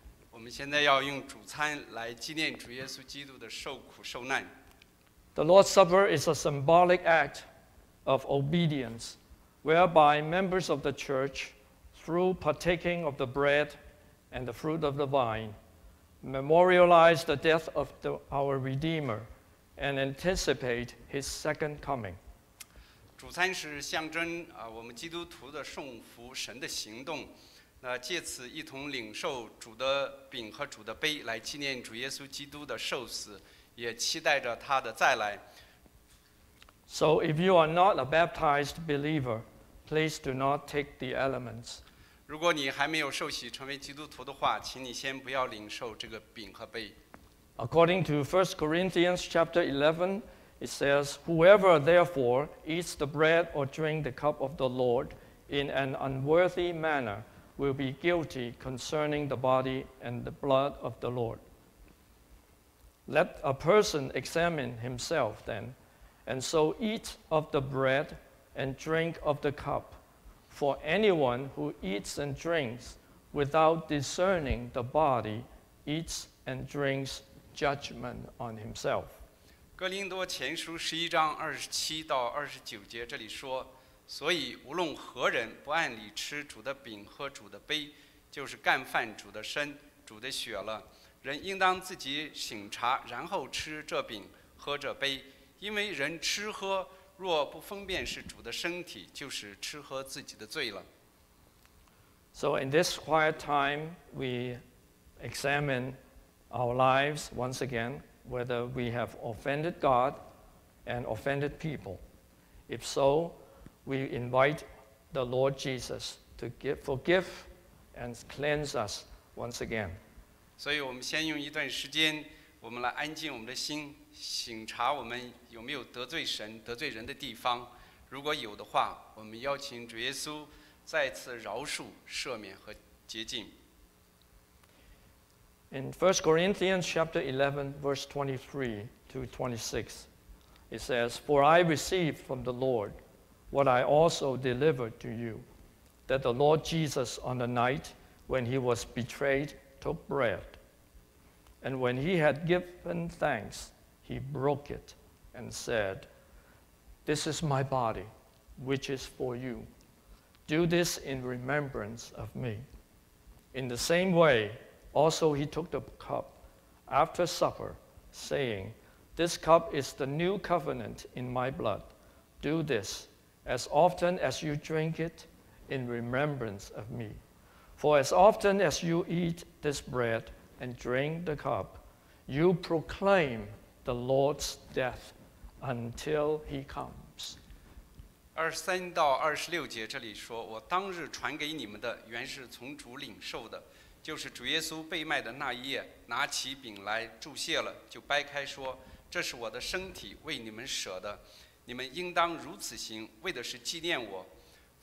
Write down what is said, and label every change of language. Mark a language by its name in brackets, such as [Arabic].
[Chinese] 我们现在要用主餐来纪念主耶稣基督的受苦受难。 [English] The Lord's Supper is a symbolic act of obedience, whereby members of the church, through partaking of the bread and the fruit of the vine, memorialize the death of our Redeemer and anticipate his second coming. [Chinese] 主餐是象征我们基督徒的顺服神的行动。借此一同领受主的饼和主的杯，来纪念主耶稣基督的受死，也期待着他的再来。 [English] So if you are not a baptized believer, please do not take the elements. [Chinese] 如果你还没有受洗成为基督徒的话，请你先不要领受这个饼和杯。 [English] According to 1 Corinthians chapter 11, It says, whoever therefore eats the bread or drink the cup of the Lord in an unworthy manner will be guilty concerning the body and the blood of the Lord. Let a person examine himself then, and so eat of the bread and drink of the cup. For anyone who eats and drinks without discerning the body eats and drinks judgment on himself. [Chinese] 哥林多前书十一章二十七到二十九节这里说，所以无论何人不按理吃主的饼和主的杯，就是干犯主的身主的血了。人应当自己省察，然后吃这饼喝这杯，因为人吃喝若不分辨是主的身体，就是吃喝自己的罪了。 [English] So in this quiet time we examine our lives once again, whether we have offended God and offended people. If so, we invite the Lord Jesus to forgive and cleanse us once again. [Chinese] 所以我们先用一段时间，我们来安静我们的心，省察我们有没有得罪神、得罪人的地方。如果有的话，我们邀请主耶稣再次饶恕、赦免和洁净。 [English] In 1 Corinthians chapter 11, verse 23 to 26, it says, For I received from the Lord what I also delivered to you, that the Lord Jesus, on the night when he was betrayed, took bread. And when he had given thanks, he broke it and said, This is my body, which is for you. Do this in remembrance of me. In the same way, Also, he took the cup after supper, saying, This cup is the new covenant in my blood. Do this as often as you drink it in remembrance of me. For as often as you eat this bread and drink the cup, you proclaim the Lord's death until he comes. [Chinese] 23到26节这里说，我当日传给你们的原是从主领受的。就是主耶稣被卖的那一夜，拿起饼来祝谢了，就掰开说：“这是我的身体，为你们舍的。你们应当如此行，为的是纪念我。”